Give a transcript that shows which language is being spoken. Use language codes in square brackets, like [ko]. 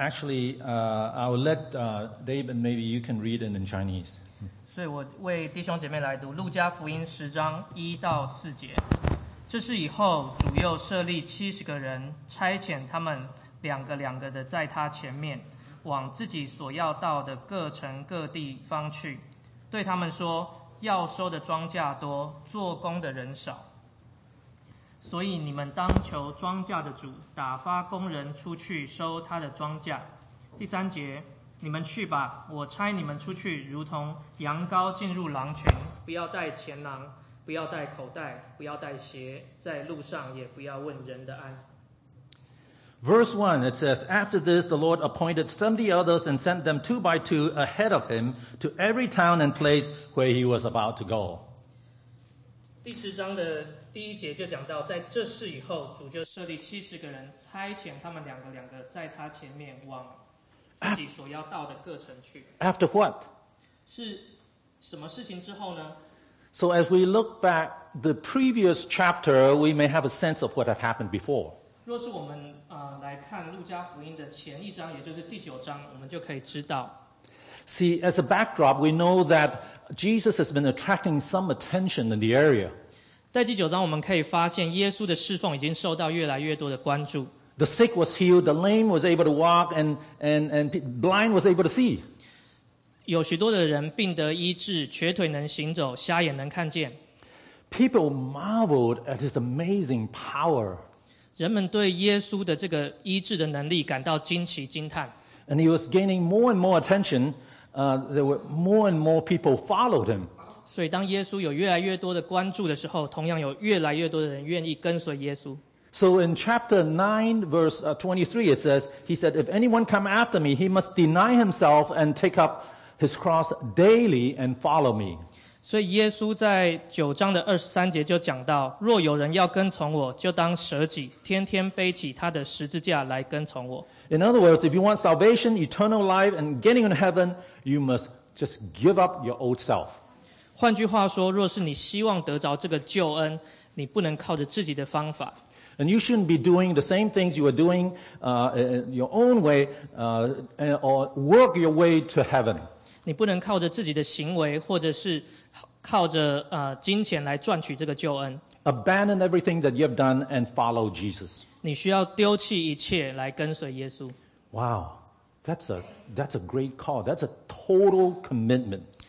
[en] I will let David, maybe you can read it in Chinese. [zh] 所以我为弟兄姐妹来读路加福音十章一到四节。这是以后主又设立七十个人，差遣他们两个两个的在他前面往自己所要到的各城各地方去，对他们说，要收的庄稼多，做工的人少，所以你们当求庄稼的主打发工人出去收他的庄稼。第三节，你们去吧，我差你们出去如同羊羔进入狼群，不要带钱囊，不要带口袋，不要带鞋，在路上也不要问人的安。 [en] Verse 1, it says, After this, the Lord appointed 70 others and sent them two by two ahead of him to every town and place where he was about to go. [zh] 第十章的第一节就讲到，在这事以后，主就设立七十个人，差遣他们两个两个在他前面往自己所要到的各城去。 [en] After what? [zh] 是什么事情之后呢？ [en] So as we look back the previous chapter, we may have a sense of what had happened before. [zh] 若是我们来看路加福音的前一章，也就是第九章，我们就可以知道。 [en] See, as a backdrop, we know that Jesus has been attracting some attention in the area. [zh] 在第九章我们可以发现耶稣的侍奉已经受到越来越多的关注。 [en] The sick was healed, the lame was able to walk, and blind was able to see. [zh] 有许多的人病得医治，瘸腿能行走，瞎眼能看见。 [en] People marveled at his amazing power. [zh] 人们对耶稣的这个医治的能力感到惊奇惊叹。 [en] And he was gaining more and more attention. There were more and more people followed him. [zh] 所以当耶稣有越来越多的关注的时候，同样有越来越多的人愿意跟随耶稣。 [en] So in chapter 9, verse 23, it says, He said, If anyone come after me, he must deny himself and take up his cross daily and follow me. [zh] 所以耶稣在九章的二十三节就讲到，若有人要跟从我，就当舍己，天天背起他的十字架来跟从我。 [en] In other words, if you want salvation, eternal life, and getting into heaven, you must just give up your old self. [zh] 换句话说，若是你希望得着这个救恩，你不能靠着自己的方法。 [en] And you shouldn't be doing the same things you are doing your own way or work your way to heaven. [zh] 你不能靠着自己的行为，或者是靠着金钱来赚取这个救恩。 [en] Abandon everything that you have done and follow Jesus. [zh] 你需要丢弃一切来跟随耶稣。 [en] Wow, that's a great call. That's a total commitment.